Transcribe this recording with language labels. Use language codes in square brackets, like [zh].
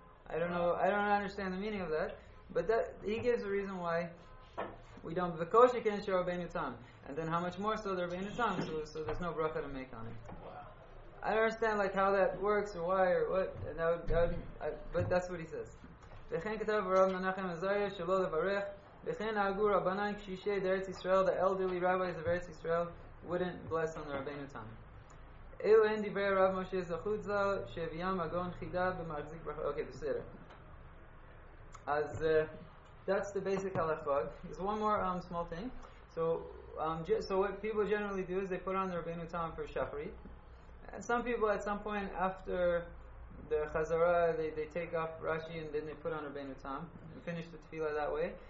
[en] I don't understand the meaning of that, but that he gives a reason why we don't v'kosh against the Rabbeinu Tam, and then how much more so the Rabbeinu Tam, so there's no bracha to make on it. Wow. I don't understand like how that works or why or what, and but that's what he says. [he] וכן כתב הרב מנחם עזריה שלא לברך וכן נהגו רבנן קשישי דארץ ישראל [en] the elderly rabbis of ארץ ישראל wouldn't bless on the [he] רבינו תם אלו הן דברי הרב משה זכות זל שהביאם הגון חידה במחזיק ברכה. אוקיי, בסדר. [en] אז that's the basic halakha. There's one more small thing. So what people generally do is they put on the רבינו תם for שחרית, and some people at some point after the Chazara, they take off Rashi and then they put on Rabbeinu Tam and finish the tefillah that way.